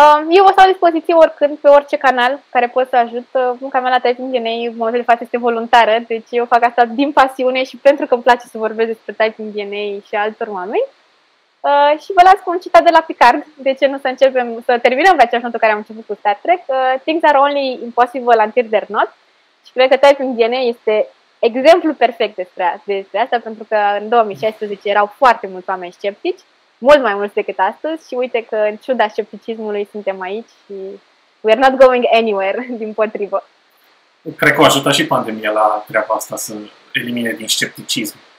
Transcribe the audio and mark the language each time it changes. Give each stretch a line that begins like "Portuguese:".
Romanian: Eu vă stau la dispoziție oricând, pe orice canal care pot să ajut. Munca mea la Typing DNA, în momentul de față, este voluntară, deci eu fac asta din pasiune și pentru că îmi place să vorbesc despre Typing DNA și altor oameni. Și vă las cu un citat de la Picard, de ce nu să începem, să terminăm pe aceeași notă care am început cu Star Trek.
English: Things are only impossible until they're not.
Romanian: Și cred că Typing DNA este exemplu perfect despre asta, pentru că în 2016 erau foarte mulți oameni sceptici, mult mai mulți decât astăzi, și uite că în ciuda scepticismului suntem aici și
English: we are not going anywhere,
Romanian: din potrivă. Cred că a ajutat și pandemia la treaba asta să elimine din scepticism.